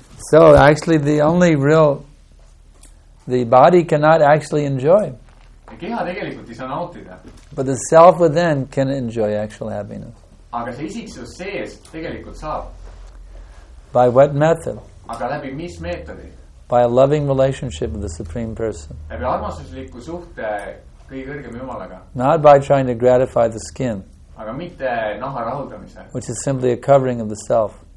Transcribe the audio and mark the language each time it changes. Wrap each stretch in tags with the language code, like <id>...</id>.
<en>So actually the only real, the body cannot actually enjoy.</en> <et>Keha tegelikult ei saa nautida.</et> <en>But the self within can enjoy actual happiness.</en> <et>Aga see isiksus sees tegelikult saab.</et> <en>By what method?</en> <et>Aga läbi mis meetodi?</et> <en>By a loving relationship with the Supreme Person.</en> <et>Läbi armastusliku suhte kõige kõrgem Jumalaga.</et> <en>Not by trying to gratify the skin.</en> <et>Aga mitte naha rahuldamise.</et> <en>Which is simply a covering of the self.</en>